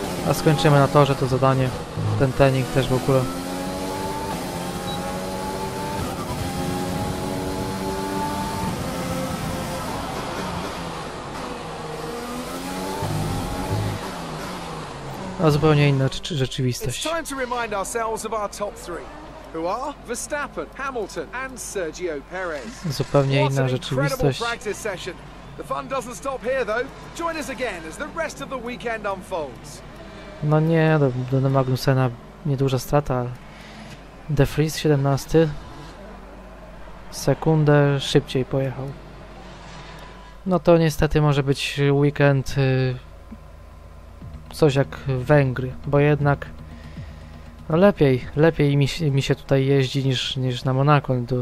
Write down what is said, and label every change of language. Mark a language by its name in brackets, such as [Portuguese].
[Polish] A skończymy na torze to zadanie, ten trening też w ogóle. A zupełnie inna rzeczywistość. [English] It's time to remind ourselves of our top three. Who are Verstappen, Hamilton and Sergio Perez. [Polish] Zupełnie inna rzeczywistość. [English] The fun doesn't stop here though. Join us again as the rest of the weekend unfolds. [Polish] No nie, do Magnussena nieduża strata. De Vries 17 sekundę szybciej pojechał. No to niestety może być weekend coś jak Węgry, bo jednak no lepiej mi się tutaj jeździ niż na Monako.